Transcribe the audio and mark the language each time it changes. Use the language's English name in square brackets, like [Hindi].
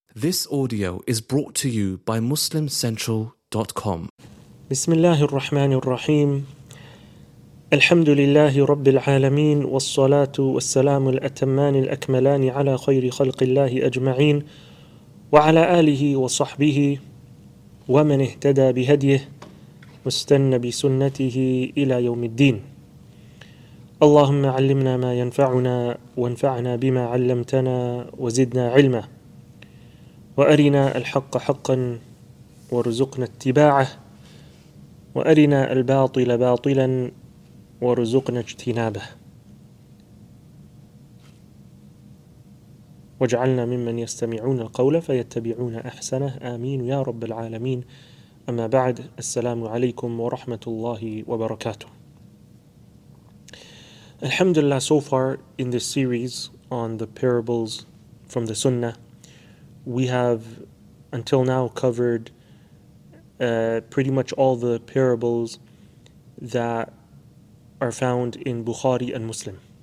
[English] This audio is brought to you by MuslimCentral.com. [Arabic] بسم الله الرحمن الرحيم. الحمد لله رب العالمين والصلاة والسلام الأتمان الأكملان على خير خلق الله أجمعين وعلى آله وصحبه ومن اهتدى بهديه مستن بسنته إلى يوم الدين. اللهم علمنا ما ينفعنا وانفعنا بما علمتنا وزدنا علما وأرنا الحق حقا وارزقنا اتباعه وأرنا الباطل باطلا وارزقنا اجتنابه واجعلنا ممن يستمعون القول فيتبعون أحسنه آمين يا رب العالمين. أما بعد, السلام عليكم ورحمة الله وبركاته. [English] Alhamdulillah, so far in this series on the parables from the Sunnah, we have until now covered pretty much all the parables that are found in Bukhari and Muslim.